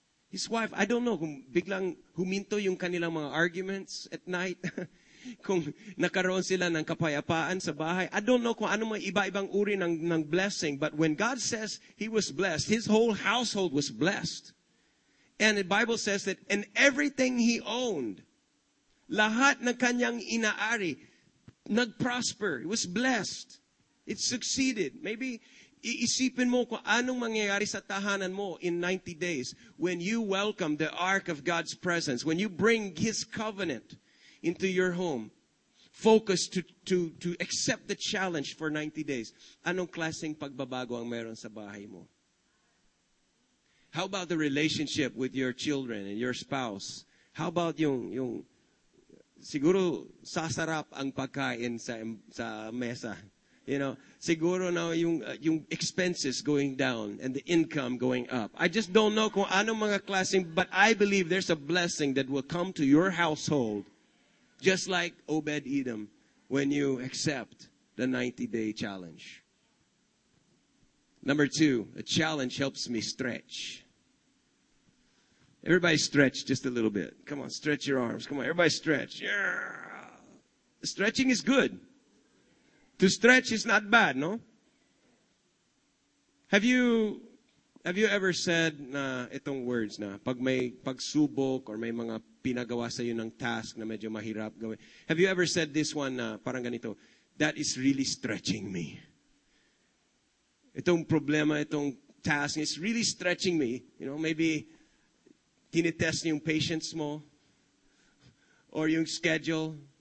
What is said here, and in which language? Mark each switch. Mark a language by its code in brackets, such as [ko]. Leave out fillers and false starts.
[en] His wife, I don't know [tl] kung biglang huminto yung kanilang mga [en] arguments at night. [tl] Kung nakaroon sila ng kapayapaan sa bahay. [en] I don't know [tl] kung ano mga iba-ibang uri ng blessing. [en] But when God says he was blessed, his whole household was blessed. And the Bible says that in everything he owned, [tl] lahat ng kanyang inaari, nag-prosper. [en] It was blessed. It succeeded. Maybe [tl] iisipin mo kung anong mangyayari sa tahanan mo [en] in 90 days when you welcome the Ark of God's presence, when you bring His covenant into your home, focused to accept the challenge for 90 days. [tl] Anong klaseng pagbabago ang meron sa bahay mo? [en] How about the relationship with your children and your spouse? How about [tl] yung siguro sasarap ang pagkain sa mesa? [en] You know, [tl] siguro na yung [en] expenses going down and the income going up. I just don't know [tl] kung ano mga klaseng, [en] but I believe there's a blessing that will come to your household just like Obed-Edom when you accept the 90-day challenge. Number two, a challenge helps me stretch. Everybody stretch just a little bit. Come on, stretch your arms. Come on, everybody stretch. Yeah. Stretching is good. To stretch is not bad, no? Have you ever said [tl] na itong words na pag may pagsubok or may mga pinagawa sa iyo ng task na medyo mahirap gawin? [en] Have you ever said this one [tl] na parang ganito, [en] that is really stretching me? [tl] Itong problema, itong [en] task is really stretching me. You know, maybe [tl] tinitest niyo yung [en] patience mo or yung schedule.